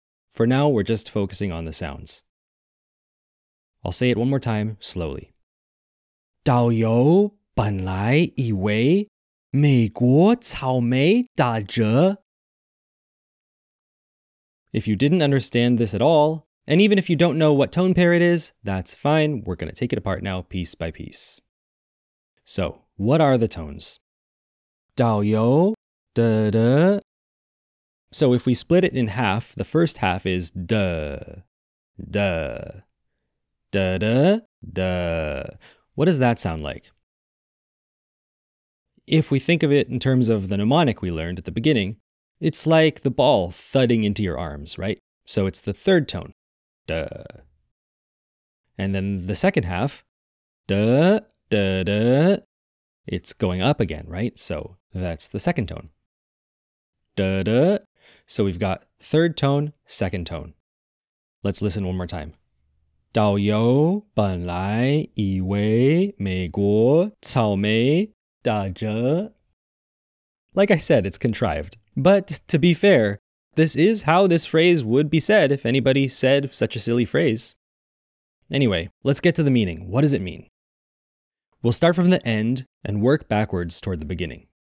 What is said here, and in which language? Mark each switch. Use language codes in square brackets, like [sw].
[en] For now, we're just focusing on the sounds. I'll say it one more time, slowly. [zh] 导游本来以为美国草莓打折. [en] If you didn't understand this at all, and even if you don't know what tone pair it is, that's fine, we're going to take it apart now, piece by piece. So, what are the tones? 导游, da-da. So if we split it in half, the first half is da, da, da, da, da. What does that sound like? If we think of it in terms of the mnemonic we learned at the beginning, it's like the ball thudding into your arms, right? So it's the third tone, da. And then the second half, da, da, da. It's going up again, right? So that's the second tone, da, da. So we've got third tone, second tone. Let's listen one more time. [zh] 导游本来以为美国草莓打折. [en] Like I said, it's contrived. But to be fair, this is how this phrase would be said if anybody said such a silly phrase. Anyway, let's get to the meaning. What does it mean? We'll start from the end and work backwards toward the beginning.